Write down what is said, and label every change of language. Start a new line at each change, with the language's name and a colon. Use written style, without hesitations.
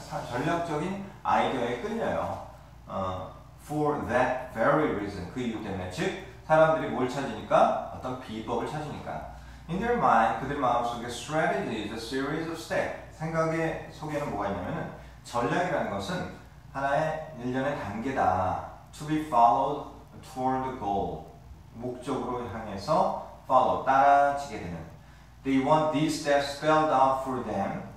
Korean: 전략적인 아이디어에 끌려요.
English: For that very reason.
Korean: 그 이유 때문에. 즉, 사람들이 뭘 찾으니까? 어떤 비법을 찾으니까.
English: In their mind,
Korean: 그들 마음속에
English: strategy is a series of steps.
Korean: 생각의 속에는 뭐가 있냐면은 전략이라는 것은 하나의 일련의 단계다.
English: To be followed toward the goal.
Korean: 목적으로 향해서 follow, 따라지게 되는.
English: They want these steps spelled out for them.